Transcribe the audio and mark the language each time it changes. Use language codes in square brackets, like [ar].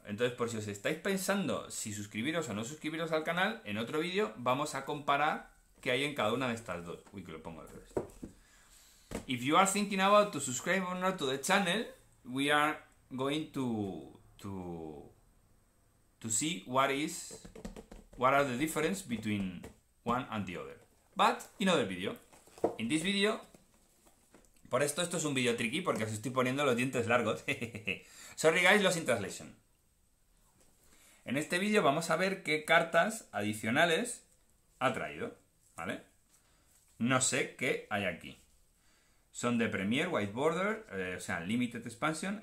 [es] Entonces, por si os estáis pensando si suscribiros o no suscribiros al canal, en otro vídeo vamos a comparar qué hay en cada una de estas dos. Uy, que lo pongo al revés. [en] If you are thinking about to subscribe or not to the channel, we are going to see what are the difference between one and the other. But in other video. In this video. [es] Por esto es un vídeo tricky porque os estoy poniendo los dientes largos. [en] Sorry guys, lost in translation. [es] En este vídeo vamos a ver qué cartas adicionales ha traído, ¿vale? No sé qué hay aquí. Son de Premier, White Border, o sea, Limited Expansion.